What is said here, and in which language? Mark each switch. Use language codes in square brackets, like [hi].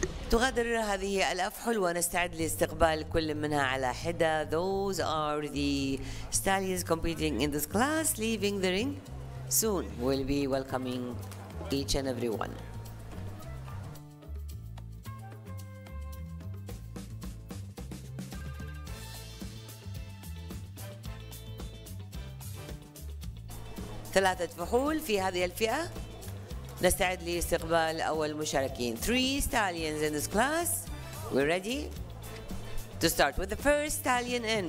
[ar] تغادر هذه الأفحل ونستعد لاستقبال كل منها على حدة. [en] Those are the stallions competing in this class, leaving the ring. Soon we'll be welcoming each and every one. [ar] ثلاثة فحول في هذه الفئة. نستعد لاستقبال أول مشاركين. [en] Three stallions in this class. We're ready to start with the first stallion in.